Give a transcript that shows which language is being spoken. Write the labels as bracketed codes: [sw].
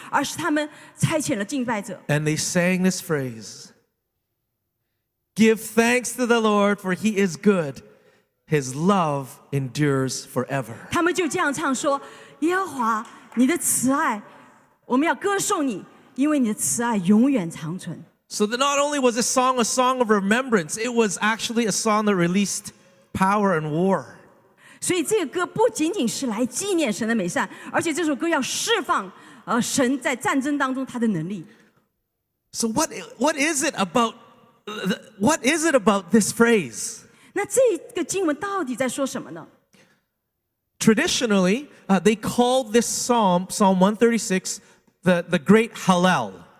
[zh] 那他们像不像以前好像是拆遣那些战士出去，而是他们拆遣了敬拜者。 [en] And they sang this phrase: "Give thanks to the Lord, for He is good; His love endures forever." [zh] 他们就这样唱说：“耶和华，你的慈爱。” 我们要歌颂你，因为你的慈爱永远长存。 [en] So that not only was this song a song of remembrance, it was actually a song that released power and war. [zh] 所以这个歌不仅仅是来纪念神的美善，而且这首歌要释放神在战争当中他的能力。 [en] So what is it about this phrase? [zh] 那这个经文到底在说什么呢？ [en] Traditionally, they called this Psalm 136, the great Hallel.